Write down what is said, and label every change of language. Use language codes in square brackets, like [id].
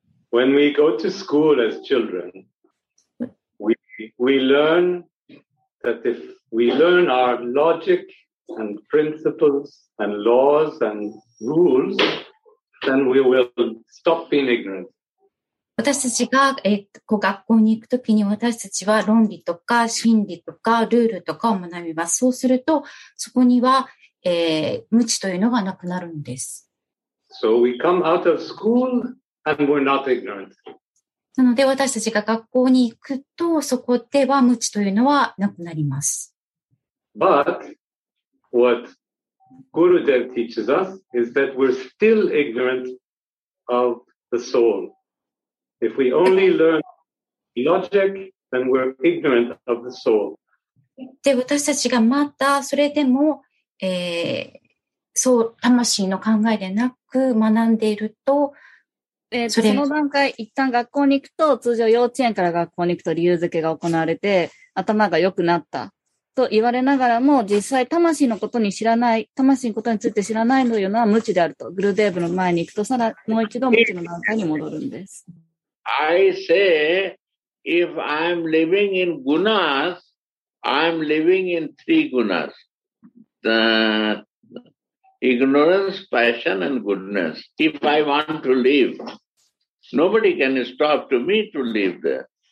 [en] When we go to school as children, we learn our logic and principles and laws and rules, then we will stop being ignorant. [ja] 私たちが、学校に行くときに私たちは論理とか心理とかルールとかを学びます。そうするとそこには、無知というのがなくなるんです。 [en] So we come out of school and we're not ignorant. [ja] なので私たちが学校に行くとそこでは無知というのはなくなります。 [en] But what Gurudev teaches us is that we're still ignorant of the soul. If we only learn logic, then we're ignorant of the soul. [ja] で、私たちがまたそれでも、そう、魂の考えでなく学んでいると、その段階、一旦学校に行くと、通常幼稚園から学校に行くと理由付けが行われて、頭が良くなったと言われながらも、実際魂のことに知らない、魂のことについて知らないというのは無知であると。グルデーブの前に行くと、さらもう一度無知の段階に戻るんです。 [en] I say, if I'm living in gunas, I'm living in three gunas. The ignorance, passion, and goodness. If I want to live, nobody can stop to me to live there.